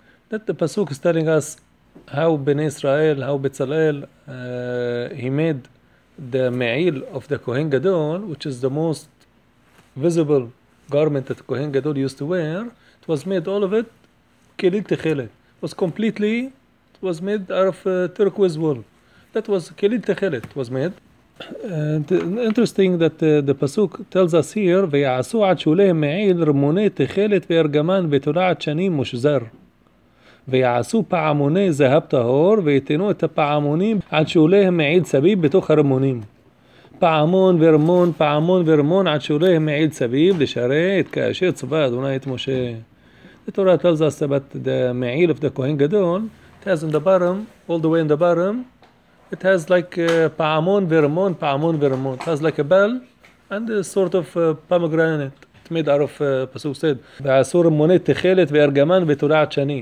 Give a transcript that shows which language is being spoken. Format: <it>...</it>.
<en>That the pasuk is telling us how Bnei Israel, how Bezalel, he made the me'il of the Kohen Gadol, which is the most visible garment that Kohen Gadol used to wear. It was made all of it kelil techelet. It was completely, it was made out of turquoise wool. That was kelil techelet, was made. And interesting that the pasuk tells us here,</en> <he>ויעשו עד שוליהם מעיל רמוני תכלת וארגמן ותולעת שנים מושזר. ויעשו פעמוני זהב טהור ויתנו את הפעמונים עד שוליהם מעיל סביב בתוך הרמונים. פעמון ורמון, פעמון ורמון עד שוליהם מעיל סביב לשרת כאשר צבא אדוני את משה.</he> <en>The Torah tells us about the מעיל of the Kohen Gadol. It has in the bottom, all the way in the bottom, it has like</en> <he>pa'amon ve'ramon, pa'amon ve'ramon.</he> <en>It has like a bell and a sort of pomegranate. It's made out of, Pasuk said,</en> <he>ve'asur monet techelet ve'argaman ve'tulat shani.</he>